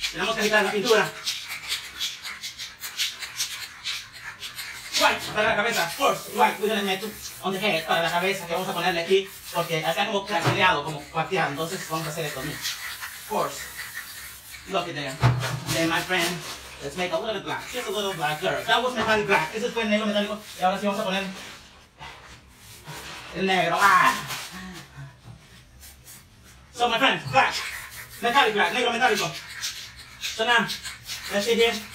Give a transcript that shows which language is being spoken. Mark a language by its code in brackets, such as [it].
[es] Tenemos que quitar la pintura. White para la cabeza. [en] First, white. We're gonna need to on the head [es] para la cabeza que vamos a ponerle aquí porque acá como craqueleado, como cuarteado. Entonces vamos a hacer esto. [en] First, look at there. Then my friend, let's make a little bit black. Just a little black. Girl. That was metallic black. [es] Ese fue negro metálico. Y ahora sí vamos a poner el negro. [en] So my friends, black, metallic black, [es] negro metálico. [en] So now, let's see here.